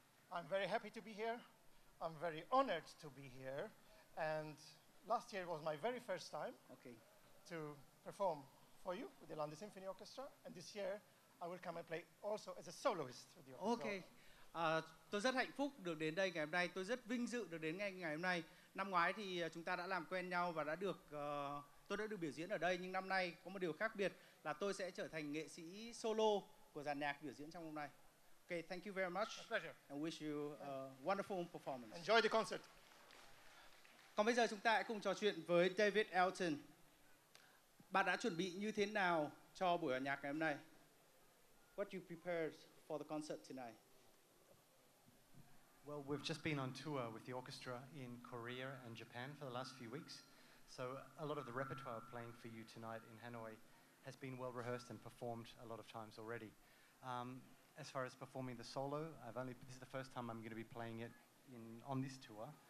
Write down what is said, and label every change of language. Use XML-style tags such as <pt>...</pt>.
<en>I'm very happy to be here. I'm very honored to be here. And last year was my very first time to perform for you with the London Symphony Orchestra. And this year I will come and play also as a soloist with you. Okay.</en> <vi>So, tôi rất hạnh phúc được đến đây ngày hôm nay. Tôi rất vinh dự được đến ngày hôm nay. Năm ngoái thì chúng ta đã làm quen nhau và tôi đã được biểu diễn ở đây. Nhưng năm nay có một điều khác biệt là tôi sẽ trở thành nghệ sĩ solo của dàn nhạc biểu diễn trong hôm nay.</vi> <en>Okay, thank you very much. A pleasure. And wish you a wonderful performance. Enjoy the concert.</en> <vi>Còn bây giờ chúng ta hãy cùng trò chuyện với David Elton. Bạn đã chuẩn bị như thế nào cho buổi hòa nhạc ngày hôm nay?</vi> <en>What you prepared for the concert tonight? Well, we've just been on tour with the orchestra in Korea and Japan for the last few weeks. So a lot of the repertoire playing for you tonight in Hanoi has been well rehearsed and performed a lot of times already. As far as performing the solo, this is the first time I'm going to be playing it on this tour.</en>